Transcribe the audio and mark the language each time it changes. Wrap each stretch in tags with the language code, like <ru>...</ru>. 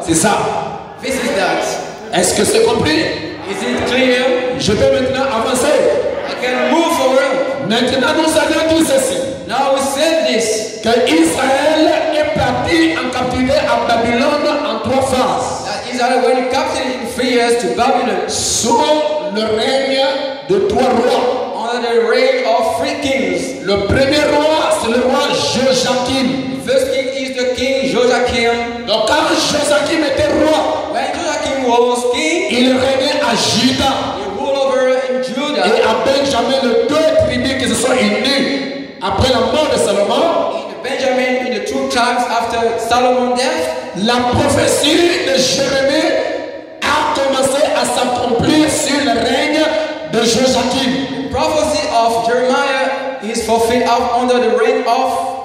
<fr>C'est ça.</fr> <en>This is that.</en> <fr>Est-ce que c'est compris?</fr> <en>Is it clear?</en> <fr>Je peux maintenant avancer.</fr> <en>I can move forward.</en> <fr>Maintenant nous allons dire ceci.</fr> <en>Now we said this.</en> <fr>Que Israël est parti en captivité à Babylone en 3 phases.</fr> <en>That Israel went captive in 3 years to Babylon.</en> <fr>Sous le règne de 3 rois.</fr> <en>The reign of 3 kings.</en> <fr>Le premier roi, c'est le roi Joachim.</fr> <en>First king is the king Joachim.</en> <fr>Donc quand Joachim était roi,</fr> <en>when Joachim was king,</en> <fr>il régnait à Juda.</fr> <en>He ruled over in Judah.</en> <fr>Et à Benjamin, les 2 tribus qui se sont unies après la mort de Salomon.</fr> <en>In Benjamin, in the 2 tribes after Solomon's death,</en> <fr>la prophétie de Jérémie a commencé à s'accomplir sur le règne de Joachim.</fr> <en>Prophecy of Jeremiah is fulfilled out under the reign of.</en>